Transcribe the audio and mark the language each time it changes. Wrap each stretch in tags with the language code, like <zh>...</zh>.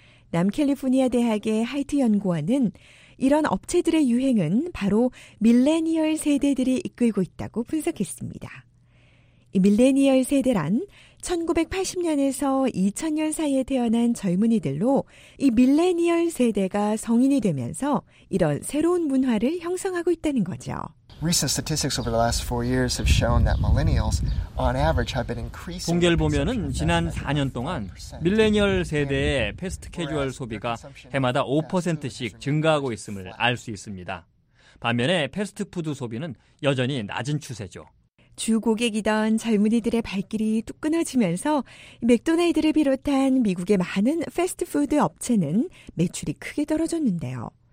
<ko>남캘리포니아 대학의 하이트 연구원은 이런 업체들의 유행은 바로 밀레니얼 세대들이 이끌고 있다고 분석했습니다. 이 밀레니얼 세대란 1980년에서 2000년 사이에 태어난 젊은이들로 이 밀레니얼 세대가 성인이 되면서 이런 새로운 문화를 형성하고 있다는 거죠.</ko> <en>Recent statistics over the last 4 years have shown that millennials on average have been increasing.</en> <ko>통계를 보면은 지난 4년 동안 밀레니얼 세대의 패스트 캐주얼 소비가 해마다 5%씩 증가하고 있음을 알 수 있습니다. 반면에 패스트푸드 소비는 여전히 낮은 추세죠. 주 고객이던 젊은이들의 발길이 뚝 끊어지면서 맥도날드를 비롯한 미국의 많은 패스트푸드 업체는 매출이 크게 떨어졌는데요.</ko>